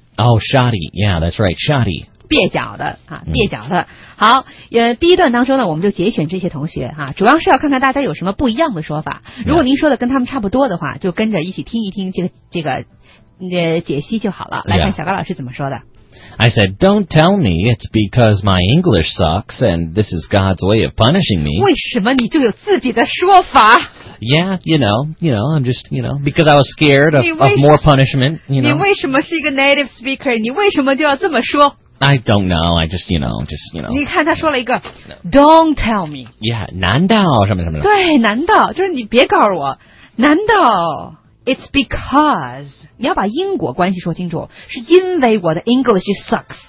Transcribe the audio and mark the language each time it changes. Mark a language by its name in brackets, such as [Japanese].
[English] Oh, shoddy. Yeah, that's right. Shoddy. [Chinese] 蹩脚的啊，蹩脚的。好，第一段当中呢，我们就节选这些同学哈、主要是要看看大家有什么不一样的说法。如果您说的跟他们差不多的话，就跟着一起听一听这个解析就好了。来看小高老师怎么说的。 [English] Yeah. I said, "Don't tell me it's because my English sucks and this is God's way of punishing me." [Chinese] 为什么你就有自己的说法？ [English] Yeah, you know, I'm just, you know, because I was scared of more punishment. You know, [Chinese] 你为什么是一个 native speaker？ 你为什么就要这么说？ [English] I don't know. I just, you know, just, you know. [Chinese] 你看他说了一个 [English] don't tell me. [Chinese] Yeah, 难道什么什么对难道就是你别告诉我难道 [English] it's because [Chinese] 你要把因果关系说清楚是因为我的 [English] English sucks.